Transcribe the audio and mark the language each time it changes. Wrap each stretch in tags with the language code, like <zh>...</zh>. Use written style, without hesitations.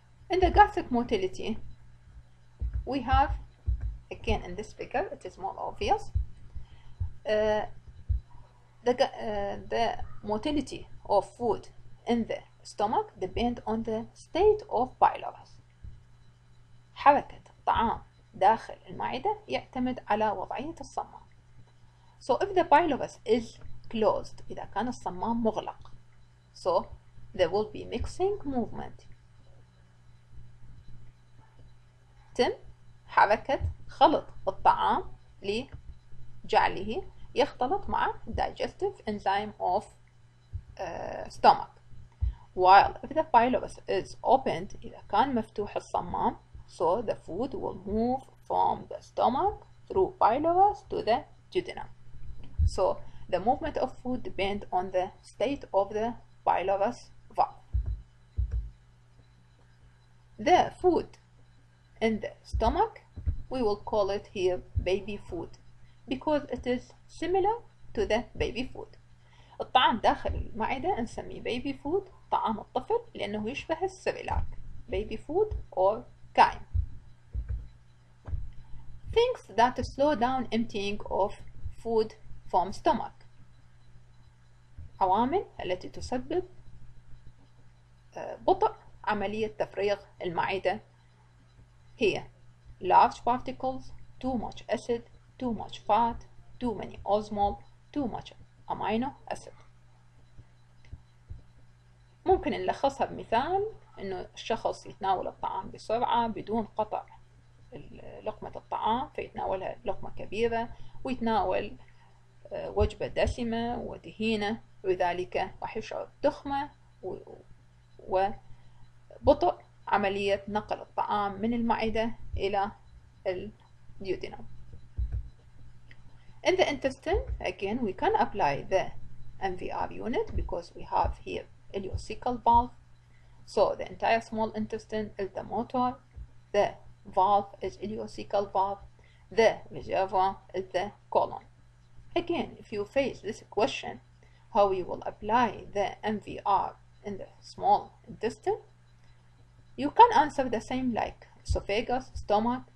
<en>In the gastric motility, we have, again in this figure, it is more obvious. The motility of food in the stomach depend on the state of pylorus.</en> <ar>حركة الطعام داخل المعدة يعتمد على وضعية الصمام.</ar> <en>So if the pylorus is closed,</en> <ar>إذا كان الصمام مغلق.</ar> <en>So there will be mixing movement.</en> <ar>تم حركة خلط الطعام لجعله يختلط مع</ar> <en>digestive enzyme of stomach. While if the pylorus is opened,</en> <ar>إذا كان مفتوح الصمام,</ar> <en>so the food will move from the stomach through pylorus to the duodenum. So the movement of food depends on the state of the pylorus valve. The food in the stomach, we will call it here baby food. because it is similar to the baby food.</en> <ar>الطعام داخل المعدة نسميه baby food, طعام الطفل لأنه يشبه السيريلاك, baby food or chyme.</ar> <en>Things that slow down emptying of food from stomach.</en> <ar>عوامل التي تسبب بطء عملية تفريغ المعدة هي</ar> <en>large particles, too much acid, too much fat, too many osmol, too much amino acid.</en> <ar>ممكن نلخصها بمثال انه الشخص يتناول الطعام بسرعة بدون قطع لقمة الطعام, فيتناولها لقمة كبيرة ويتناول وجبة دسمة ودهينة, لذلك راح يشعر بتخمة وبطء عملية نقل الطعام من المعدة إلى الديودينم.</ar> <en>In the intestine, again, we can apply the MVR unit because we have here ileocecal valve. So the entire small intestine is the motor. The valve is ileocecal valve. The reservoir is the colon. Again, if you face this question, how you will apply the MVR in the small intestine, you can answer the same like esophagus, stomach.</en>